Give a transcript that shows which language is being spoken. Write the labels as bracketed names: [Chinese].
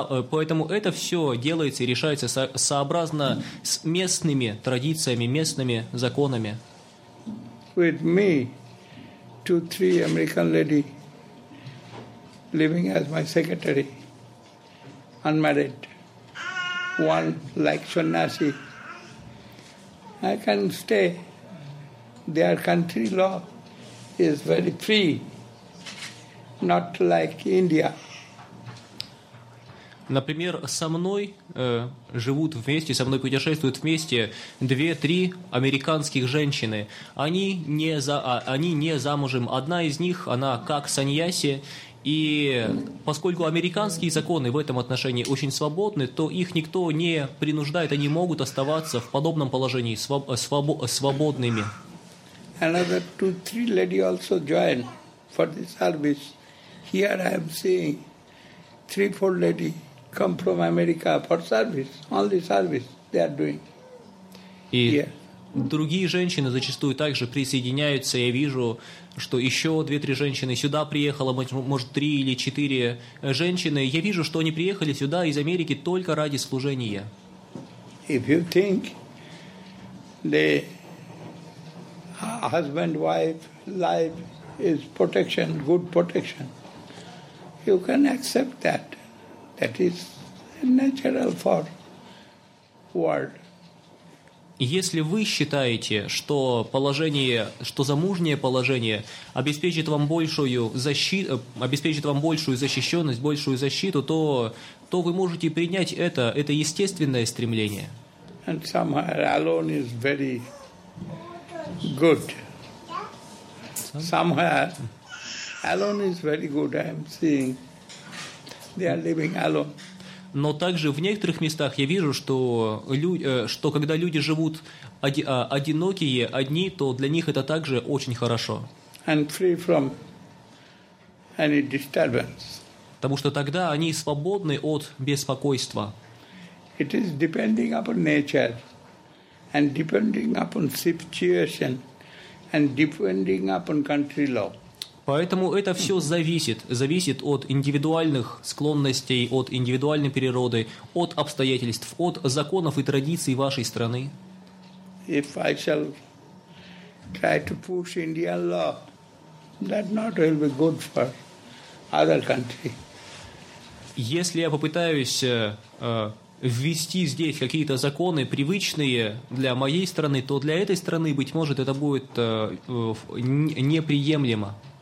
[Russian] Поэтому это все делается и решается сообразно с местными традициями, местными законами. [English] With me, 2-3 American lady living as my secretary, unmarried, one like sannyasi. I can stay. Their country law is very free, not like India. [Russian] Например, со мной живут вместе, со мной путешествуют вместе 2-3 американских женщины. Они не замужем. Одна из них, она как саньяси. И поскольку американские законы в этом отношении очень свободны, то их никто не принуждает, они могут оставаться в подобном положении, свободными. [English] Another 2-3 lady also join for the service. Here I am seeing 3-4 lady come from America for service, only service they are doing. [Russian] И другие женщины зачастую также присоединяются. Я вижу, что еще 2-3 женщины сюда приехала, может 3 или 4 женщины. Я вижу, что они приехали сюда из Америки только ради служения. [English] If you think they husband, wife, life is protection, good protection. You can accept that. That is natural for world. [Russian] Если вы считаете, что положение, что замужнее положение обеспечит вам большую защиту, обеспечит вам большую защищенность, большую защиту, то вы можете принять это естественное стремление. [English] And somewhere alone is very good. Somewhere alone is very good. I am seeing they are living alone. [Russian] Но также в некоторых местах я вижу, что, что когда люди живут одинокие, одни, то для них это также очень хорошо. [English] And free from any disturbance. [Russian] Потому что тогда они свободны от беспокойства. [English] It is depending upon nature and depending upon situation and depending upon country law. [Russian] Поэтому это все зависит от индивидуальных склонностей, от индивидуальной природы, от обстоятельств, от законов и традиций вашей страны. [English] If I shall try to push Indian law, that not will be good for other country. [Russian] Если я попытаюсь ввести здесь какие-то законы, привычные для моей страны, то для этой страны, быть может, это будет неприемлемо.